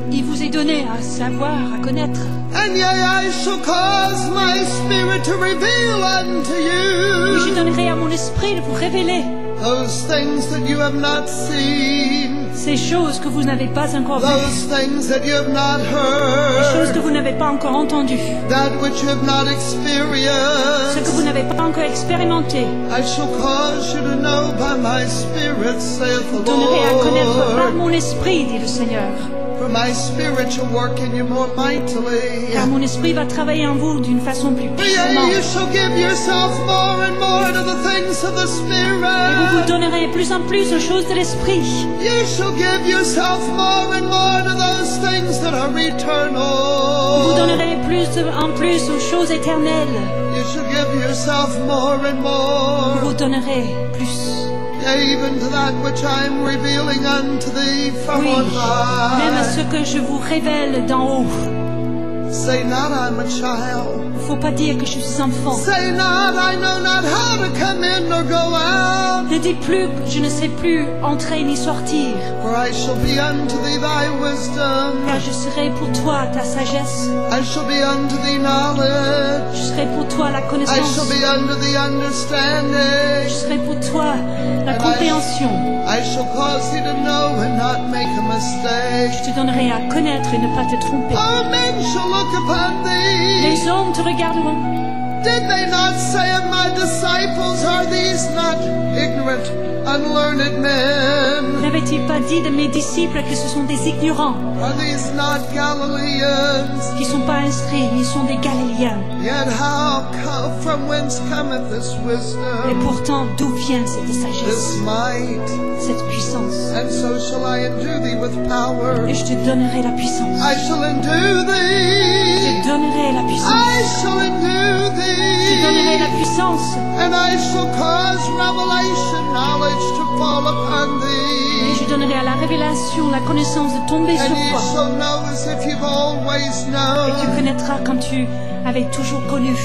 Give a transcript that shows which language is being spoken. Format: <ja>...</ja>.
<fr>Il vous est donné à savoir, à connaître.</fr> <en>And yea, I shall cause my spirit to reveal unto you.</en> <fr>Et je donnerai à mon esprit de vous révéler.</fr> <en>Those things that you have not seen.</en> <fr>Ces choses que vous n'avez pas encore vues.</fr> <en>Those things that you have not heard.</en> <fr>Les choses que vous n'avez pas encore entendues.</fr> <en>That which you have not experienced.</en> <fr>Ce que vous n'avez pas encore expérimenté.</fr> <en>I shall cause you to know by my spirit, saith the Lord.</en> <fr>Vous donnerez à connaître par mon esprit, dit le Seigneur.</fr> <en>For my spirit shall work in you more mightily.</en> <fr>Car mon esprit va travailler en vous d'une façon plus puissante.</fr> <en>You shall give yourself more and more to the things of the spirit.</en> <fr>Et vous vous donnerez plus en plus aux choses de l'esprit.</fr> <en>You shall give yourself more and more to those things that are eternal.</en> <fr>Vous vous donnerez plus en plus aux choses éternelles.</fr> <en>You shall give yourself more and more.</en> <fr>Vous vous donnerez plus.</fr> <en>Even to that which I am revealing unto thee from</en> <fr>oui,</fr> <en>on high.</en> <fr>Même à ce que je vous révèle d'en haut.</fr> <en>Say not I'm a child.</en> <fr>Faut pas dire que je suis enfant.</fr> <en>Say not I know not how to come in or go out.</en> <fr>Ne dis plus que je ne sais plus entrer ni sortir.</fr> <en>For I shall be unto thee thy wisdom.</en> <fr>Car je serai pour toi ta sagesse.</fr> <en>I shall be unto thee knowledge.</en> <fr>Je serai pour toi la connaissance.</fr> <en>I shall be unto thee understanding.</en> <fr>Je serai pour toi la compréhension.</fr> <en>I shall cause thee to know and not make a mistake.</en> <fr>Je te donnerai à connaître et ne pas te tromper.</fr> <en>All men shall look upon thee.</en> <fr>Les hommes te regarderont.</fr> <en>Did they not say of my disciples, are these not ignorant, unlearned men?</en> <fr>N'avaient-ils pas dit de mes disciples que ce sont des ignorants?</fr> <en>Are these not Galileans?</en> <fr>Qui sont pas instruits, ils sont des Galiléens.</fr> <en>Yet how come, from whence cometh this wisdom?</en> <fr>Et pourtant, d'où vient cette sagesse?</fr> <en>This might.</en> <fr>Cette puissance.</fr> <en>And so shall I endue thee with power.</en> <fr>Et je te donnerai la puissance.</fr> <en>I shall endue thee.</en> <fr>Je te donnerai la puissance.</fr> <en>I shall endue thee.</en> <fr>Je donnerai la puissance.</fr> <en>And I shall cause revelation knowledge to fall upon thee.</en> <fr>Et je donnerai à la révélation la connaissance de tomber</fr> <en>and</en> <fr>sur toi.</fr> <en>And you shall know as if you've always known.</en> <fr>Et tu connaîtras comme tu avais toujours connu.</fr>